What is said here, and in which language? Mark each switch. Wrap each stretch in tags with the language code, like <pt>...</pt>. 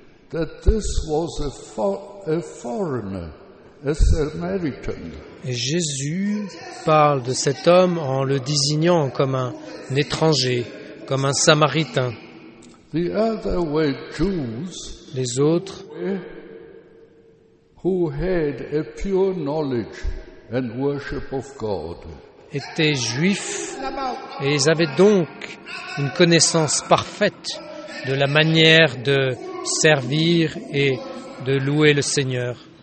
<en>That this was a foreigner, a Samaritan.</en> <fr>Et Jésus parle de cet homme en le désignant comme un étranger, comme un Samaritain.</fr> <en>The other were Jews,</en> <fr>les autres,</fr> <en>who had a pure knowledge and worship of God.</en> <fr>Étaient juifs et ils avaient donc une connaissance parfaite de la manière de servir et de louer le Seigneur.</fr>